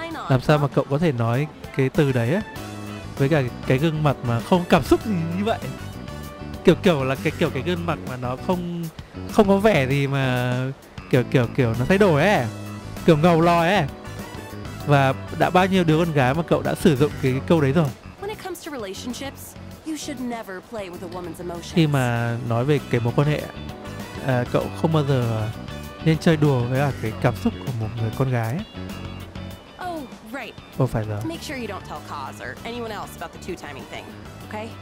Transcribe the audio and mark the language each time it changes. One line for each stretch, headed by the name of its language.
Vietnamese: Làm sao mà cậu có thể nói cái từ đấy á, với cả cái gương mặt mà không cảm xúc gì như vậy. Kiểu là cái gương mặt mà nó không có vẻ gì mà kiểu nó thay đổi ấy, kiểu ngầu lòi ấy. Và đã bao nhiêu đứa con gái mà cậu đã sử dụng cái câu đấy rồi.
English: When it comes to relationships, you should never play with a woman's emotions.
Vietnamese: Khi mà nói về cái mối quan hệ, cậu không bao giờ nên chơi đùa với cái cảm xúc của một người con gái.
English: Oh, right.
Vietnamese: Không phải là.
English: Make sure you don't tell Kaz or anyone else about the two timing thing, okay?